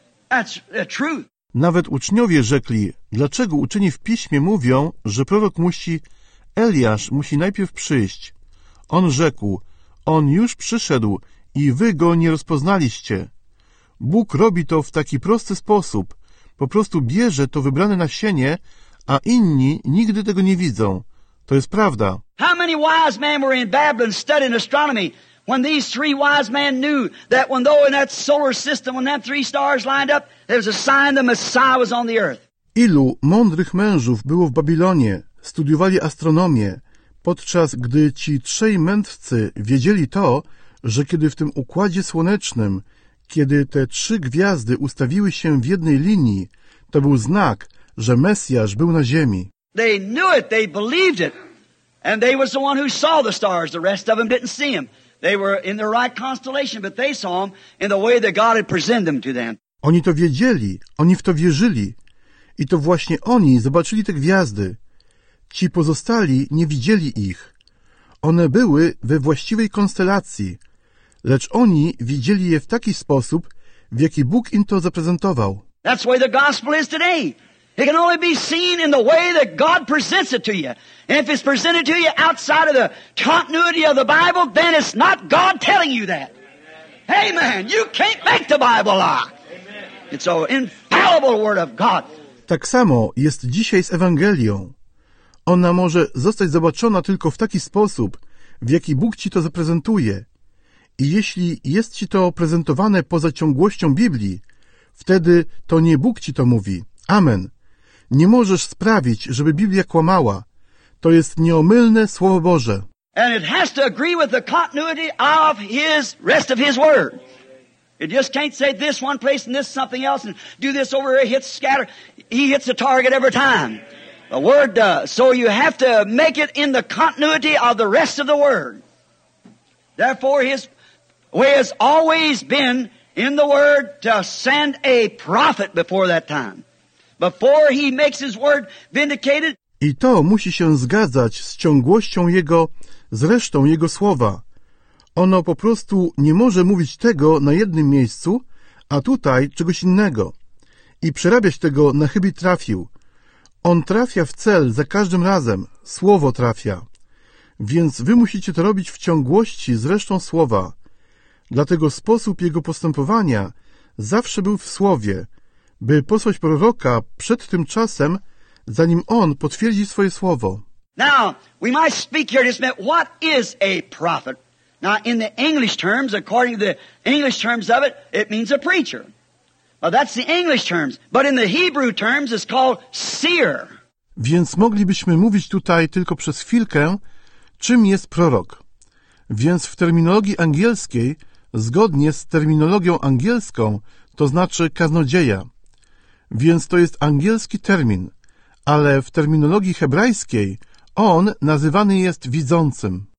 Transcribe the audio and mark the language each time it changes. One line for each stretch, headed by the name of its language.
English: That's the truth.
Polish: Nawet uczniowie rzekli, dlaczego uczeni w piśmie mówią, że prorok musi Eliasz musi najpierw przyjść. On rzekł, on już przyszedł i wy go nie rozpoznaliście. Bóg robi to w taki prosty sposób. Po prostu bierze to wybrane nasienie, a inni nigdy tego nie widzą. To jest prawda.
English: How many wise men were in Babylon studying astronomy when these three wise men knew that when though in that solar system when them three stars lined up, there was a sign the Messiah was on the earth.
Polish: Ilu mądrych mężów było w Babilonie, studiowali astronomię, podczas gdy ci trzej mędrcy wiedzieli to, że kiedy w tym układzie słonecznym, kiedy te trzy gwiazdy ustawiły się w jednej linii, to był znak, że Mesjasz był na ziemi.
English: They knew it, they believed it. And they was the one who saw the stars, the rest of them didn't see them. They were in the right constellation, but they saw them in the way that God had presented them to them.
Polish: Oni to wiedzieli, oni w to wierzyli. I to właśnie oni zobaczyli te gwiazdy. Ci pozostali nie widzieli ich. One były we właściwej konstelacji, lecz oni widzieli je w taki sposób, w jaki Bóg im to zaprezentował.
English: That's why the gospel is today. It can only be seen in the way that God presents it to you. And if it's presented to you outside of the continuity of the Bible, then it's not God telling you that. Amen. You can't make the Bible lie. It's an infallible word of God.
Polish: Tak samo jest dzisiaj z Ewangelią. Ona może zostać zobaczona tylko w taki sposób, w jaki Bóg ci to zaprezentuje. I jeśli jest ci to prezentowane poza ciągłością Biblii, wtedy to nie Bóg ci to mówi. Amen. Nie możesz sprawić, żeby Biblia kłamała. To jest nieomylne Słowo Boże.
English: And it has to agree with the continuity of his rest of his word. It just can't say this one place and this something else and do this over here, hit scatter. He hits the target every time. The word does. So you have to make it in the continuity of the rest of the word. Therefore, his way has always been in the word to send a prophet before that time. Before he makes his word vindicated.
Polish: I to musi się zgadzać z ciągłością jego, z resztą jego słowa. Ono po prostu nie może mówić tego na jednym miejscu, a tutaj czegoś innego. I przerabiać tego na chybi trafił. On trafia w cel za każdym razem, słowo trafia. Więc wy musicie to robić w ciągłości z resztą słowa. Dlatego sposób jego postępowania zawsze był w słowie, by posłać proroka przed tym czasem, zanim on potwierdzi swoje słowo.
English: Now, we might speak here just a minute. What is a prophet? Now, in the English terms, according to the English terms of it, it means a preacher. Well, that's the English terms. But in the Hebrew terms, it's called seer.
Polish: Więc moglibyśmy mówić tutaj tylko przez chwilkę, czym jest prorok. Więc w terminologii angielskiej, zgodnie z terminologią angielską, to znaczy kaznodzieja. Więc to jest angielski termin, ale w terminologii hebrajskiej on nazywany jest widzącym.